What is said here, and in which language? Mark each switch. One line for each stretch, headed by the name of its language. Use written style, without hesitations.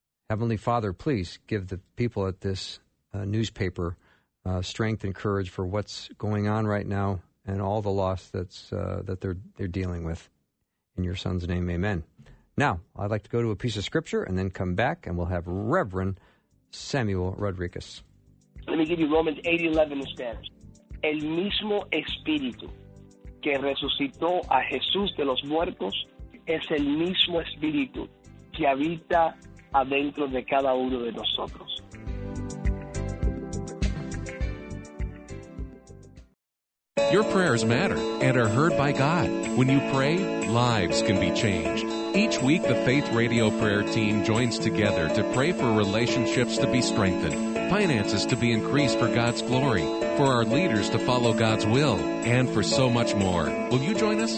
English: Heavenly Father, please give the people at this newspaper strength and courage for what's going on right now and all the loss that's that they're dealing with. In your son's name, amen. Now, I'd like to go to a piece of scripture and then come back, and we'll have Reverend Samuel Rodriguez. Let me give you Romans 8:11 in Spanish.
Spanish: El mismo espíritu que resucitó a Jesús de los muertos es el mismo espíritu que habita adentro de cada uno de nosotros.
English: Your prayers matter and are heard by God. When you pray, lives can be changed. Each week, the Faith Radio Prayer Team joins together to pray for relationships to be strengthened, finances to be increased for God's glory, for our leaders to follow God's will, and for so much more. Will you join us?